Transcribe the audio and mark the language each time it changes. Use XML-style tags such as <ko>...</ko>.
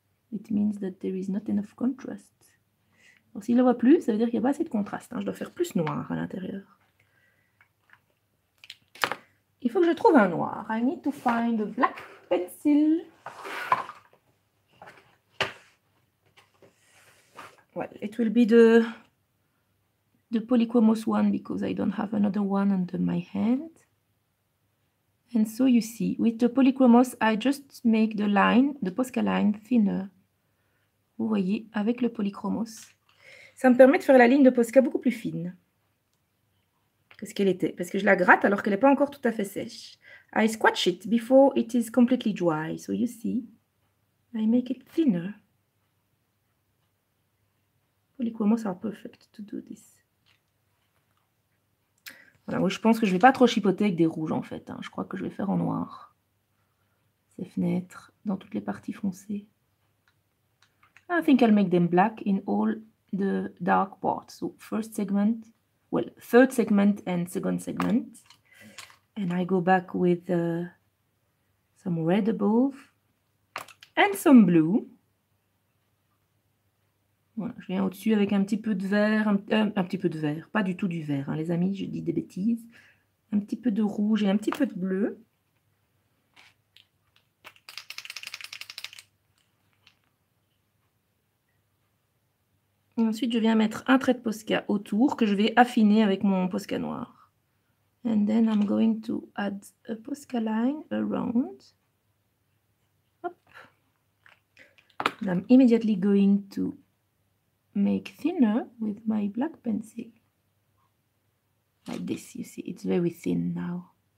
<en>It means that there is not enough contrast.</en> <fr>Alors, s'il ne la voit plus, ça veut dire qu'il n'y a pas assez de contraste. Hein. Je dois faire plus noir à l'intérieur. Il faut que je trouve un noir.</fr> <en>I need to find a black pencil. Well, it will be the Polyquamous one because I don't have another one under my hand. And so you see, with the Polyquamous, I just make the line, the Posca line, thinner.</en> <fr>Vous voyez, avec le Polyquamous. Ça me permet de faire la ligne de Posca beaucoup plus fine que ce qu'elle était. Parce que je la gratte alors qu'elle n'est pas encore tout à fait sèche.</fr> <en>I squash it before it is completely dry. So you see, I make it thinner. Polyquamous are perfect to do this.</en> <fr>Voilà, moi je pense que je ne vais pas trop chipoter avec des rouges en fait. Hein. Je crois que je vais faire en noir. Ces fenêtres, dans toutes les parties foncées.</fr> <en>I think I'll make them black in all the dark parts. So first segment, well, third segment and second segment. And I go back with some red above and some blue.</en> <fr>Voilà, je viens au-dessus avec un petit peu de vert, un petit peu de vert, pas du tout du vert, hein, les amis, je dis des bêtises. Un petit peu de rouge et un petit peu de bleu. Et ensuite, je viens mettre un trait de Posca autour que je vais affiner avec mon Posca noir.</fr> <en>And then I'm going to add a Posca line around. Hop. And I'm immediately going to make thinner with my black pencil. Like this, you see, it's very thin now.</en>